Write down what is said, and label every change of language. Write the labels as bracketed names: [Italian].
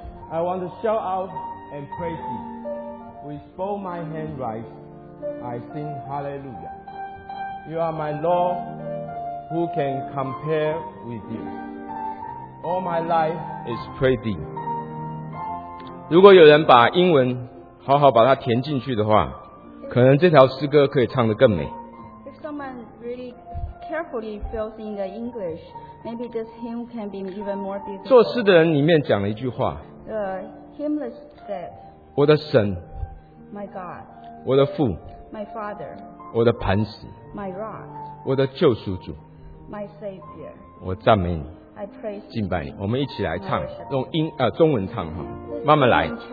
[English] I want to shout out and praise thee. With both my hands raised, I sing hallelujah. You are my Lord, who can compare with you? All my life is praising. [Chinese] 如果有人把英文好好把它填进去的话，可能这条诗歌可以唱得更美。 [English] If someone really carefully fills in the English, maybe this hymn can be even more beautiful. [Chinese] 作诗的人里面讲了一句话。 [English] The hymnist said. [Chinese] 我的神。 [English] My God. [Chinese] 我的父。 [English] My Father. [Chinese] 我的磐石。 [English] My Rock. [Chinese] 我的救赎主。 [English] My Savior. [Chinese] 我赞美你。 [English] I praise [Chinese] 敬拜你，我们一起来唱，用英中文唱哈，慢慢来。